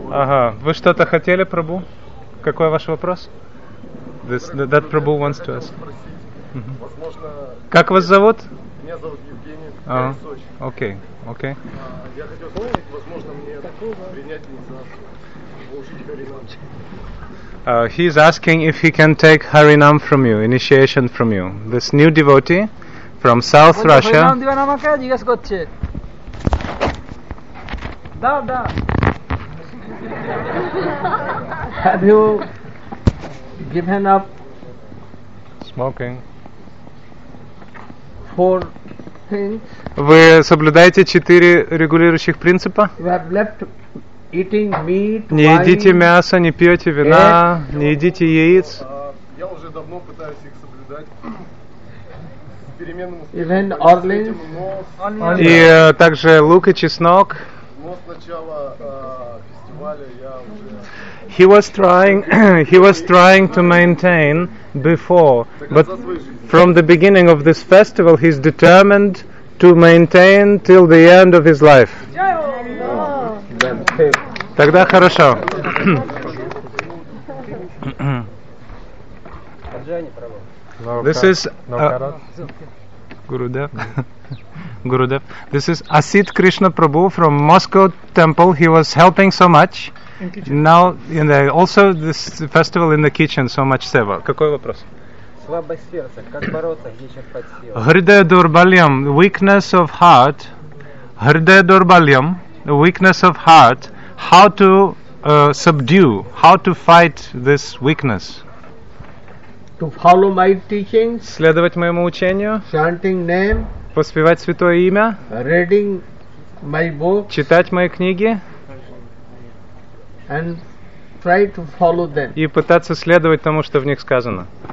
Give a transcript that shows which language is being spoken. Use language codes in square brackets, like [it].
[ru] Ага, вы что-то хотели, Прабу? Какой ваш вопрос? [en] That Prabhu wants to ask. [ru] Возможно. Как вас зовут? Меня зовут Евгений, я из Сочи. Окей. Окей. Я хотел вспомнить, возможно, мне такого принять инициацию. Получить харинам. [en] He is asking if he can take Harinam from you, initiation from you. This new devotee from South Russia. Harinam diva namaka jigas kocche. [ru] Da da. [en] Have you given up smoking? For things. [ru] Вы соблюдаете 4 регулирующих принципа? [en] You have left eating meat, [ru] не едите мясо, не пьете вина, [en] egg, [ru] не едите яиц. Я уже давно пытаюсь их соблюдать. [en] Even olives. [ru] И также лук и чеснок. Но с начала фестиваля я уже... [en] He was trying to maintain before, but from the beginning of this festival, he's determined to maintain till the end of his life. [ru] Тогда хорошо. [en] This is Gurudev. Gurudev. This is Asit Krishna Prabhu from Moscow Temple. He was helping so much. Now, in the, also this festival in the kitchen, so much seva. [ru] Какой вопрос? Слабость сердца. Как бороться, где черпать силы? [en] Hrdaya durbalyam, weakness of heart. Hrdaya durbalyam, weakness of heart. How to subdue, how to fight this weakness? To follow my teachings. [ru] Следовать моему учению. [en] Chanting name. [ru] Поспевать святое имя. [en] Reading my books. [ru] Читать мои книги. [en] And try to follow them. [ru] И пытаться следовать тому, что в них сказано.